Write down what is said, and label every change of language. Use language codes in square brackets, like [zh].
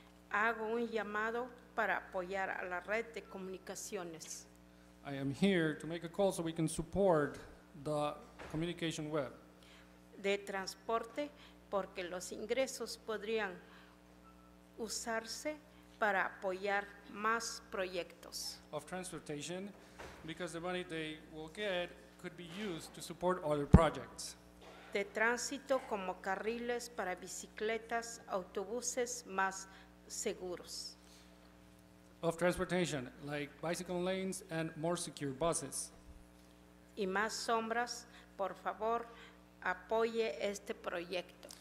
[es] Hago un llamado para apoyar a la red de comunicaciones. [en] I am here to make a call so we can support the communication web. [es] De transporte, porque los ingresos podrían usarse para apoyar más proyectos. [en] Of transportation, because the money they will get could be used to support other projects. [es] De tránsito como carriles para bicicletas, autobuses más seguros. [en] Of transportation, like bicycle lanes and more secure buses. [es] Y más sombras, por favor, apoye este proyecto.